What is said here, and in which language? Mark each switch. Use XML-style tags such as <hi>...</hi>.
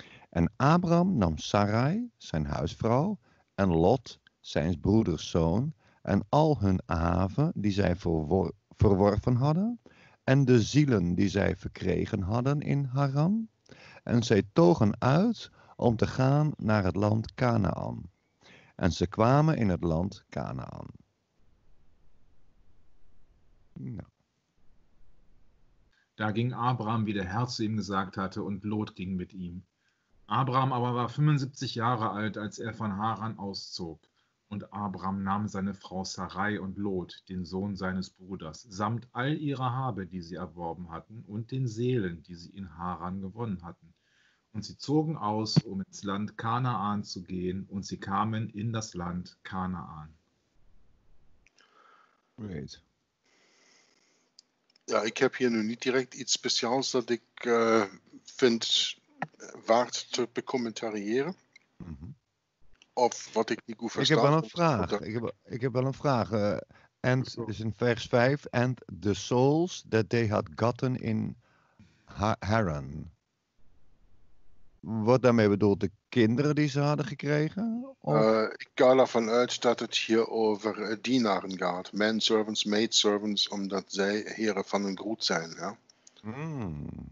<nl>En Abram nam Sarai, zijn huisvrouw, en Lot, zijn broederszoon, en al hun haven die zij verworven hadden, en de zielen die zij verkregen hadden in Haran. En zij togen uit om te gaan naar het land Kanaan. En ze kwamen in het land Kanaan. Ja.</nl> <de>Da ging Abraham, wie der Herr zu ihm gesagt hatte, und Lot ging mit ihm. Abraham aber war 75 Jahre alt, als er von Haran auszog. Und Abraham nahm seine Frau Sarai und Lot, den Sohn seines Bruders, samt all ihrer Habe, die sie erworben hatten, und den Seelen, die sie in Haran gewonnen hatten. Und sie zogen aus, um ins Land Kanaan zu gehen, und sie kamen in das Land Kanaan.</de> <en>Great.</en> <de>Ja, ich habe hier nun nicht direkt iets Speziales, das ich finde, wart zu bekommentarieren. Mm-hmm. Of was ich nicht gut verstaan. Ich habe</de> <nl>wel een vraag. Ich habe wel een vraag.</nl> <en>And, is in Vers 5, and the souls that they had gotten in Haran.</en> <nl>Wordt daarmee bedoeld de kinderen die ze hadden gekregen? Ik ga ervan uit dat het hier over dienaren gaat.</nl> <en>Manservants, maidservants,</en> <nl>omdat zij heren van een groet zijn. Ja? Hmm.</nl>